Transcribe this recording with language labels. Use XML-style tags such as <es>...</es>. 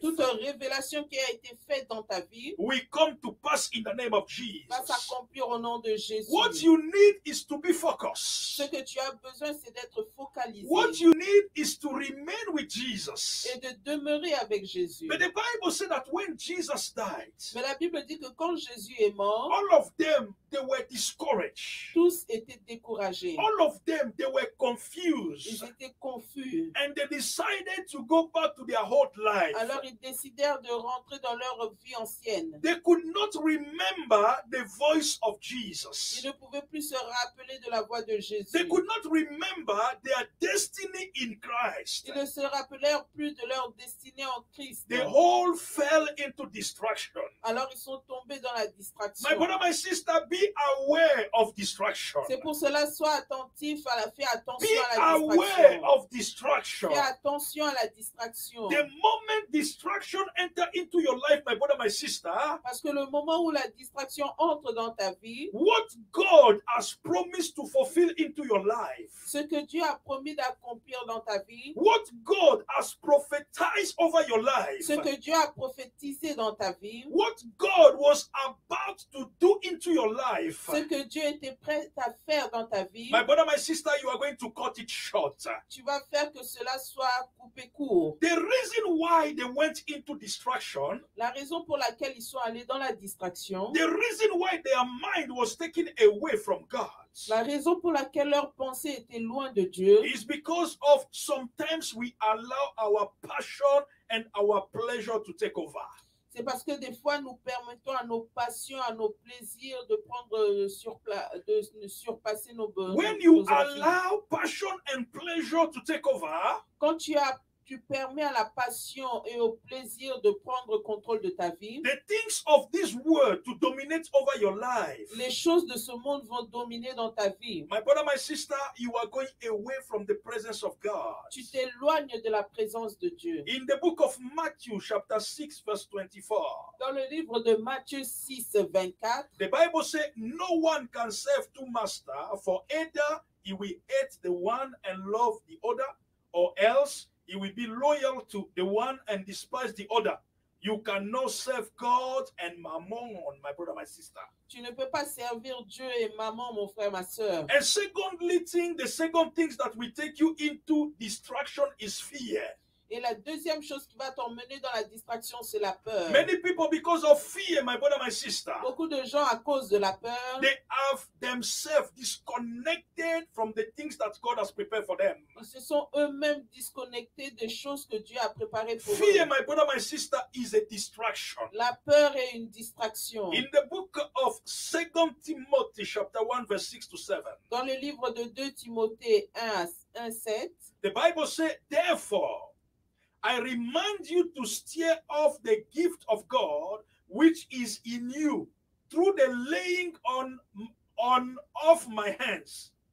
<fr>toute révélation qui a été faite dans ta vie,</fr> <en>we come to pass in the name of Jesus,</en> <fr>va s'accomplir au nom de Jésus.</fr> <en>What you need is to be focused.</en> <fr>Ce que tu as besoin, c'est d'être focalisé.</fr> <en>What you need is to remain with Jesus,</en> <fr>et de demeurer avec Jésus.</fr> <en>But the Bible says that when Jesus died,</en> <fr>mais la Bible dit que quand Jésus est mort,</fr> <en>all of them, they were discouraged.</en> <fr>Tous étaient découragés.</fr> <en>All of them, they were confused.</en> <fr>Ils étaient confus.</fr> <en>And they decided to go back to their old life.</en> <fr>Alors ils décidèrent de rentrer dans leur vie ancienne.</fr> <en>They could not remember the voice of Jesus.</en> <fr>Ils ne pouvaient plus se rappeler de la voix de Jésus.</fr> <en>They could not remember their destiny in Christ.</en> <fr>Ils ne se rappelèrent plus de leur destinée en Christ.</fr> <en>They all fell into destruction. distraction.</en> <fr>Alors ils sont tombés dans la distraction.</fr> <en>My brother, my sister, be aware of distraction.</en> <fr>C'est pour cela, sois attentif à la distraction. Fais attention à la distraction.</fr> <en>The moment distraction enter into your life, my brother, my sister.</en> <fr>Parce que le moment où la distraction entre dans ta vie.</fr> <en>What God has promised to fulfill into your life.</en> <fr>Ce que Dieu a promis d'accomplir dans ta vie.</fr> <en>What God has prophesied over your life.</en> <fr>Ce que Dieu a prophétisé dans ta vie.</fr> <en>What God was about to do into your life.</en> <fr>Ce que Dieu était prêt à faire dans ta vie.</fr> <en>My brother, my sister, you are going to cut it short.</en> <fr>Tu vas faire que cela soit coupé court.</fr> <en>The reason why they went into distraction.</en> <fr>La raison pour laquelle ils sont allés dans la distraction.</fr> <en>The reason why their mind was taken away from God.</en> <fr>La raison pour laquelle leur pensée était loin de Dieu.</fr> <en>Is because of sometimes we allow our passion and our pleasure to take over.</en> <fr>C'est parce que des fois nous permettons à nos passions, à nos plaisirs de prendre surpasser nos besoins.</fr> <en>When you allow passion and pleasure to take over,</en> <fr>quand tu permets à la passion et au plaisir de prendre contrôle de ta vie,</fr> <en>the things of this world to dominate over your life.</en> <fr>Les choses de ce monde vont dominer dans ta vie.</fr> <en>My brother, my sister, you are going away from the presence of God.</en> <fr>Tu t'éloignes de la présence de Dieu.</fr> <en>In the book of Matthew, chapter 6, verse 24.</en> <fr>Dans le livre de Matthieu 6, 24.</fr> <en>The Bible says, no one can serve two masters, for either he will hate the one and love the other, or else he will be loyal to the one and despise the other. You cannot serve God and mammon, my brother, my sister.</en> <fr>Tu ne peux pas servir Dieu et maman, mon frère, ma sœur.</fr> <en>And secondly, the second things that will take you into distraction is fear.</en> <fr>Et la deuxième chose qui va t'emmener dans la distraction, c'est la peur.</fr> <en>Many people, because of fear, my brother, my sister.</en> <fr>Beaucoup de gens, à cause de la peur,</fr> <en>they have themselves disconnected from the things that God has prepared for them.</en> <fr>Ils se sont eux-mêmes disconnectés des choses que Dieu a préparées pour</fr> <en>fear,</en> <fr>eux.</fr> <en>Fear, my brother, my sister, is a distraction.</en> <fr>La peur est une distraction.</fr> <en>In the book of 2 Timothy, chapter 1, verse 6 to 7.</en> <fr>Dans le livre de 2 Timothée 1-7.</fr> <en>The Bible says, therefore, I remind you to steer off the gift of God which is in you through the laying on of my hands.</en>